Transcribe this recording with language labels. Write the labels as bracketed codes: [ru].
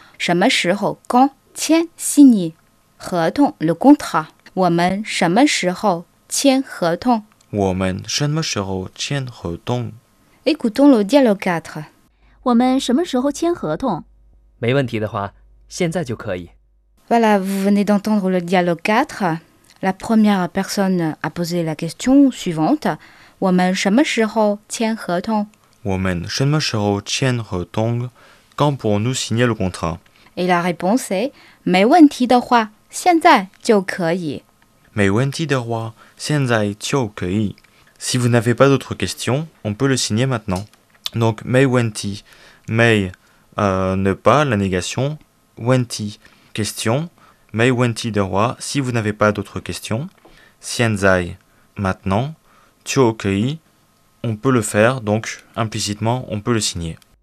[zh] 什么时候刚签 [fr] signé [zh] 合同 [fr] le contrat [zh] 我们什么时候签合同我们什么时候签合同 [fr] Écoutons le dialogue [zh] 4. 我们什么时候签合同没问题的话现在就可以 [fr] Voilà, vous venez d'entendre le dialogue 4. La première personne a posé la question suivante [zh] 我们什么时候签合同我们什么时候签合同 [fr] Quand pourrons-nous signer le contrat? Et la réponse est, [zh] 没问题的话现在就可以。没问题的话现在就可以。 [fr] Si vous n'avez pas d'autres questions, on peut le signer maintenant. Donc, [zh] 没问题, [fr] 没, ne pas, la négation, [zh] 问题, [fr] question, [zh] 没问题的话 [fr] si vous n'avez pas d'autres questions, [zh] 现在, [fr] maintenant, [zh] 就可以, [fr] on peut le faire, donc, implicitement, on peut le signer.